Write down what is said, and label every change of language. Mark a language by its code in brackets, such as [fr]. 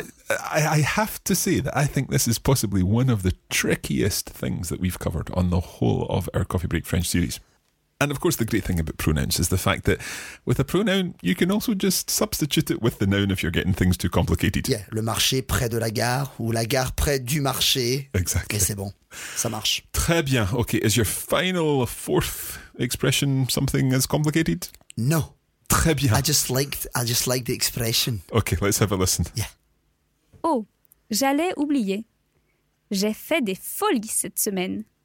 [en] I have to say that I think this is possibly one of the trickiest things that we've covered on the whole of our Coffee Break French series. And of course, the great thing about pronouns is the fact that with a pronoun, you can also just substitute it with the noun if you're getting things too complicated. [fr] Yeah, le marché près de la gare, ou la gare près du marché. [en] Exactly. [fr] Et c'est bon, ça marche. Très bien. [en] Okay, is your final fourth expression something as complicated? No. [fr] Très bien. [en] I just liked the expression. Okay, let's have a listen. Yeah. [fr] Oh, j'allais oublier. J'ai fait des folies cette semaine.